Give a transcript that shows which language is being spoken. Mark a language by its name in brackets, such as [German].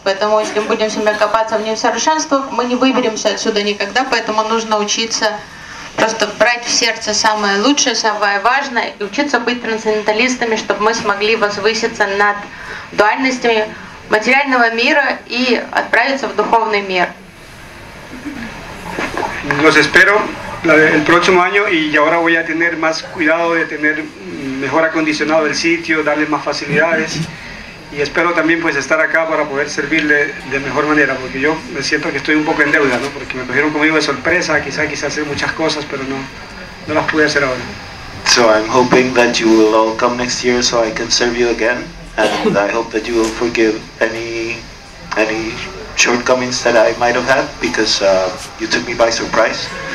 [Russian] Поэтому если мы будем себя копаться в несовершенствах, мы не выберемся отсюда никогда, поэтому нужно учиться просто брать в сердце самое лучшее, самое важное, и учиться быть трансценденталистами, чтобы мы смогли возвыситься над дуальностями материального мира и отправиться в духовный мир. [Spanish] Los espero el próximo año y ahora voy a tener más cuidado de tener mejor acondicionado el sitio, darle más facilidades y espero también pues estar acá para poder servirle de mejor manera, porque yo me siento que estoy un poco en deuda, ¿no? Porque me cogieron conmigo de sorpresa, quizá hacer muchas cosas, pero no las pude hacer ahora. [English] So I'm hoping that you will all come next year so I can serve you again. And I hope that you will forgive any shortcomings that I might have had, because you took me by surprise.